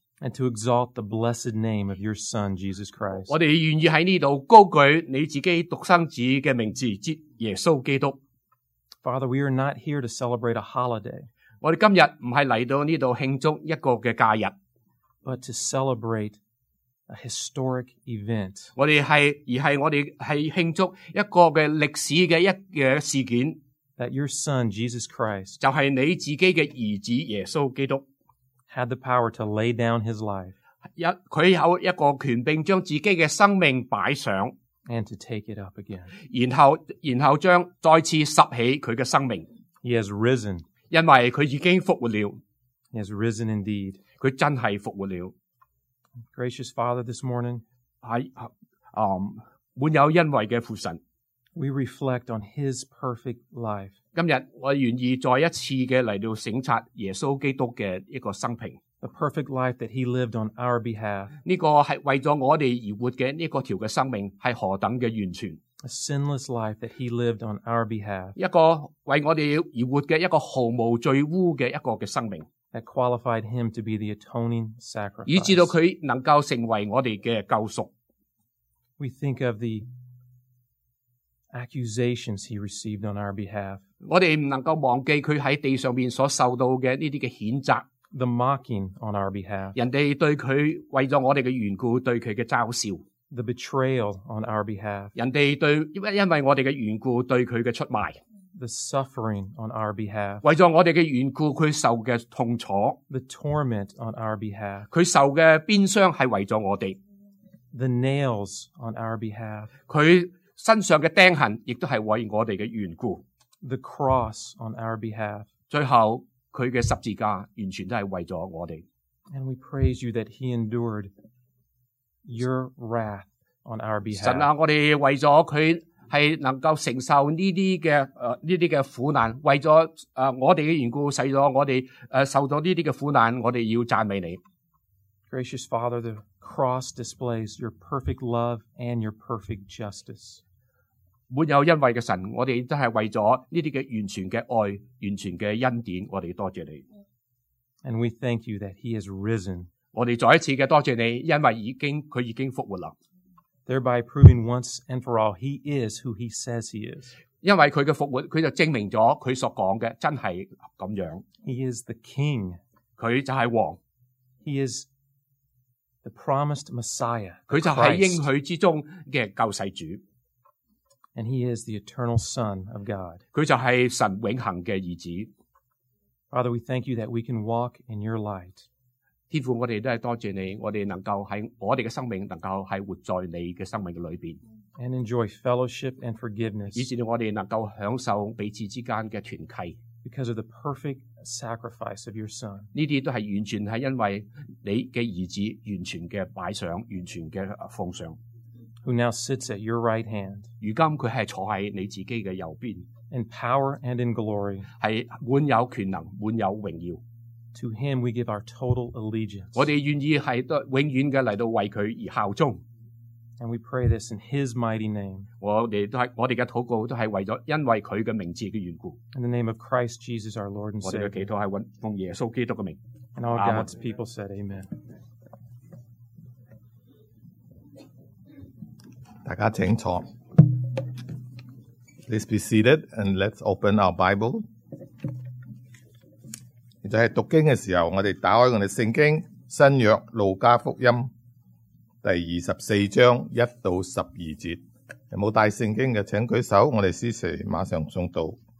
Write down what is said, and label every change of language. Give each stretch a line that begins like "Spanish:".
English: and to exalt the blessed name of Your Son Jesus Christ.
Chinese: 我们愿意在这里高举你自己独生子的名字耶稣基督。
English: Father, we are not here to celebrate a holiday.
Chinese: 我们今日不是来到这里庆祝一个假日,
English: but to celebrate a historic event.
Chinese: 我们是庆祝一个历史的事件。
English: That Your Son, Jesus Christ,
Chinese: 就是你自己的儿子耶稣基督,
English: had the power to lay down His life,
Chinese: 他有一个权柄将自己的生命摆上,
English: and to take it up again.
Chinese: 然后将再次拾起他的生命,
English: He has risen.
Chinese: 因为他已经复活了,
English: He has risen indeed.
Chinese: 他真是复活了。
English: Gracious Father, this morning,
Chinese: 满有恩惠的父神,
English: We reflect on His perfect life.
Chinese: 今天我愿意再一次的来到省察耶稣基督的一个生平。
English: The perfect life that he lived on our behalf.
Chinese: 这个是为了我们而活的这个条的生命是何等的完全。
English: A sinless life that he lived on our behalf.
Chinese: 一个为我们而活的一个毫无罪污的一个生命。
English: That qualified him to be the atoning sacrifice.
Chinese: 以至到他能够成为我们的救赎。
English: We think of the accusations he received on our behalf.
Chinese: 我们不能够忘记他在地上所受到的这些谴责。
English: The mocking on our behalf.
Chinese: 人家对他为了我们的缘故对他的嘲笑。
English: The betrayal on our behalf.
Chinese: 人家因为我们的缘故对他的出卖。
English: The suffering on our behalf.
Chinese: 为了我们的缘故他受的痛楚。
English: The torment on our behalf.
Chinese: 他受的鞭伤是为了我们。
English: The nails on our behalf.
Chinese: 他身上的钉痕也是为我们的缘故。
English: The cross on our behalf.
Chinese: 最后, 他的十字架完全都是为了我们。
English: And we praise you that he endured your wrath on our behalf.
Chinese: 神啊, 我们为了他是能够承受这些苦难, 为了我们的缘故,使我们受了这些苦难, 我们要赞美你。
English: Gracious Father, the cross displays your perfect love and your perfect justice.
Chinese: 没有恩惠的神, 我们都是为了这些完全的爱,完全的恩典, 我们多谢你。
English: And we thank you that he has risen.
Chinese: 我们再一次的多谢你, 因为他已经复活了。
English: Thereby proving once and for all, he is who he says he is.
Chinese: 因为他的复活, 他就证明了他所说的真是这样。
English: He is the king.
Chinese: 他就是王。
English: He is the promised Messiah, the Christ.
Chinese: 他就是应许之中的救世主。
English: And he is the eternal Son of God.
Chinese: 他就是神永恒的儿子。
English: Father, we thank you that we can walk in your light.
Chinese: 天父，我们都是多谢你, 我们能够在我们的生命能够是活在你的生命里面。
English: And enjoy fellowship and forgiveness.
Chinese: 以至于我们能够享受彼此之间的团契。
English: Because of the perfect sacrifice of your Son.
Chinese: 这些都是完全是因为你的儿子完全的摆上，完全的奉上。
English: Who now sits at your right hand.
Chinese: 如今他是坐在你自己的右边。
English: In power and in glory.
Chinese: 是满有权能，满有荣耀。
English: To him we give our total allegiance.
Chinese: 我们愿意是永远的来到为他而效忠。
English: And we pray this in his mighty name.
Chinese: 我们的祷告都是因为他的名字的缘故。
English: In the name of Christ Jesus our Lord and Savior.
Chinese: 我们的祈祷是奉耶稣基督的名。
English: And all God's people said Amen.
Chinese: 大家请坐。
English: Please be seated and let's open our Bible.
Chinese: 就是读经的时候，我们打开我们的圣经，新约路加福音第24章1到12节。有没有带圣经的，请举手，我们司徒马上诵读。